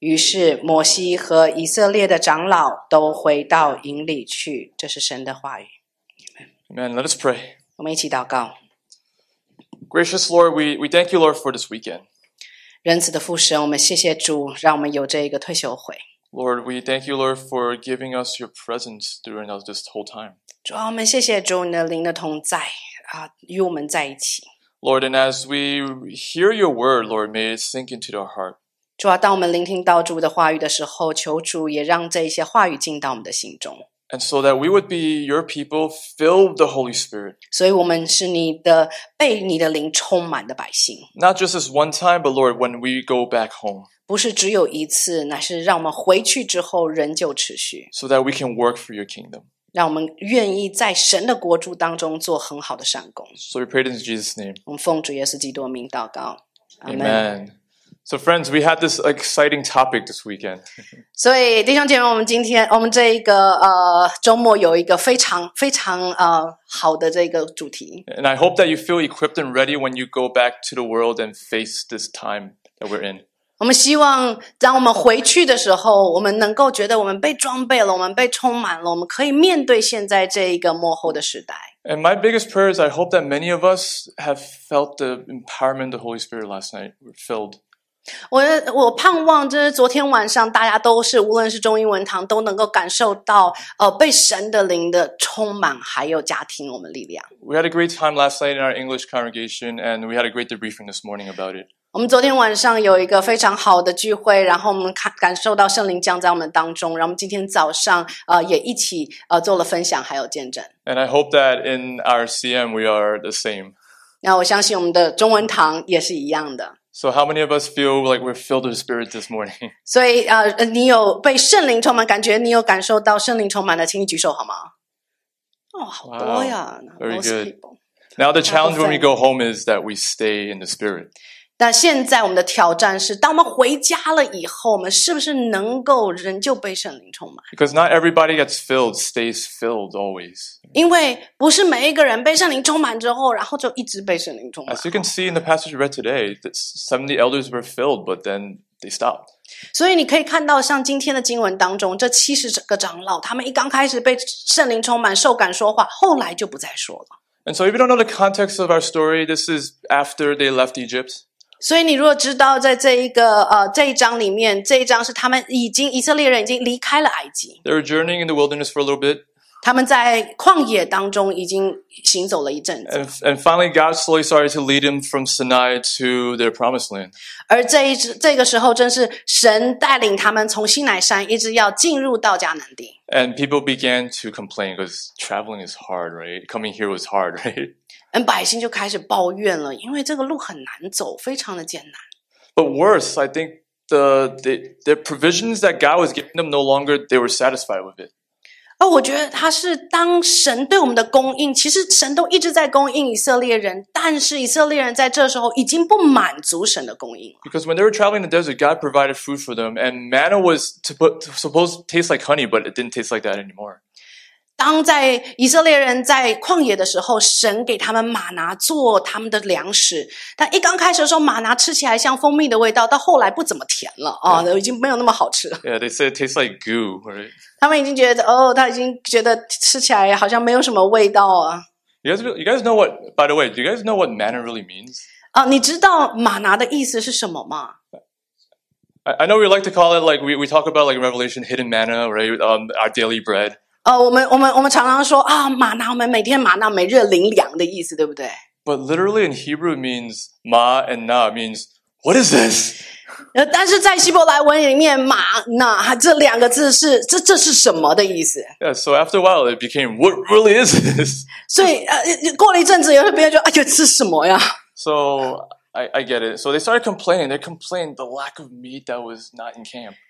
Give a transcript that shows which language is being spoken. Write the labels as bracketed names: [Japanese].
[Chinese] 于是摩西和以色列的长老都回到营里去。这是神的话语。 [English] Amen. Let us pray. [Chinese] 我们一起祷告。 [English] Gracious Lord, we thank you, Lord, for this weekend. [Chinese] 仁慈的父神，我们谢谢主，让我们有这一个退休会。 [English] Lord, we thank you, Lord, for giving us your presence during this whole time. [Chinese] 主啊，我们谢谢主，你的灵的同在啊，与我们在一起。 [English] Lord, and as we hear your word, Lord, may it sink into our heart. [Chinese] 主啊，当我们聆听到主的话语的时候，求主也让这一些话语进到我们的心中。 [English] And so that we would be your people filled with the Holy Spirit. [Chinese] 所以我们是你的被你的灵充满的百姓。 [English] Not just this one time, but Lord, when we go back home. [Chinese] 不是只有一次，乃是让我们回去之后仍旧持续。 [English] So that we can work for your kingdom. [Chinese] 让我们愿意在神的国度当中做很好的善工。 [English] So we pray in Jesus' name. [Chinese] 我们奉主耶稣基督的名祷告。 [English] Amen. Amen. So friends, we had this exciting topic this weekend. [Chinese] 所以弟兄姐妹，我们今天我们这一个周末有一个非常非常好的这个主题。 [English] And I hope that you feel equipped and ready when you go back to the world and face this time that we're in. [Chinese] 我们希望当我们回去的时候，我们能够觉得我们被装备了，我们被充满了，我们可以面对现在这一个末后的时代。 [English] And my biggest prayer is I hope that many of us have felt the empowerment of the Holy Spirit last night. We're filled. [Chinese] 我盼望就是昨天晚上大家都是无论是中英文堂都能够感受到被神的灵的充满还有加添我们力量。 [English] We had a great time last night in our English congregation and we had a great debriefing this morning about it. [Chinese] 我们昨天晚上有一个非常好的聚会然后我们感受到圣灵降在我们当中然后我们今天早上也一起做了分享还有见证。 [English] And I hope that in our CM we are the same. [Chinese] 那我相信我们的中文堂也是一样的。 [English] So how many of us feel like we're filled with Spirit this morning? [Chinese] 所以你有被圣灵充满感觉你有感受到圣灵充满的请你举手好吗哦、oh, 好多呀 [English] wow, Very good. Now the challenge when we go home is that we stay in the Spirit. [Chinese] 但现在我们的挑战是当我们回家了以后我们是不是能够仍旧被圣灵充满 [English] Because not everybody gets filled, stays filled always. [Chinese] 因为不是每一个人被圣灵充满之后然后就一直被圣灵充满。 [English] As you can see in the passage read today, 70 elders were filled, but then they stopped. [Chinese] 所以你可以看到像今天的经文当中这70个长老他们一刚开始被圣灵充满受感说话后来就不再说了。 [English] And so if you don't know the context of our story, this is after they left Egypt. [Chinese] 所以你如果知道在这一个这一章里面这一章是他们已经以色列人已经离开了埃及。 [English] They were journeying in the wilderness for a little bit. [Chinese] 他们在旷野当中已经行走了一阵子。 [English] And finally God slowly started to lead them from Sinai to their promised land. [Chinese] 而这个时候正是神带领他们从西乃山一直要进入到迦南地。 [English] And people began to complain because traveling is hard, right? Coming here was hard, right? [Chinese] 百姓就开始抱怨了，因为这个路很难走，非常的艰难。 [English] But worse, I think the provisions that God was giving them no longer they were satisfied with it. [Chinese] 我觉得他是当神对我们的供应，其实神都一直在供应以色列人，但是以色列人在这时候已经不满足神的供应了。 [English] Because when they were traveling the desert, God provided food for them, and manna was supposed to taste like honey, but it didn't taste like that anymore. [Chinese] 当在以色列人在旷野的时候神给他们玛拿做他们的粮食但一刚开始的时候玛拿吃起来像蜂蜜的味道到后来不怎么甜了、yeah. 已经没有那么好吃了 [English] Yeah, they say it tastes like goo, right? [Chinese] 他们已经觉得哦，他已经觉得吃起来好像没有什么味道啊 [English] you guys know what, by the way, do you guys know what manna really means? [Chinese] 你知道玛拿的意思是什么吗 [English] I know we like to call it like we talk about like Revelation hidden manna, right? Our daily bread [Chinese] 我们常常说啊，玛拿，我们每天玛拿，每日灵粮的意思，对不对 [English] ？But literally in Hebrew means ma and na means what is this？ [Chinese] 但是在希伯来文里面，玛拿这两个字是这是什么的意思 [English] ？Yeah, so after a while it became what really is this？ [Chinese] 所以过了一阵子，有些别人就哎呀，吃什么呀 [English] ？So I get it. So they started complaining. They complained the lack of meat that was not in camp.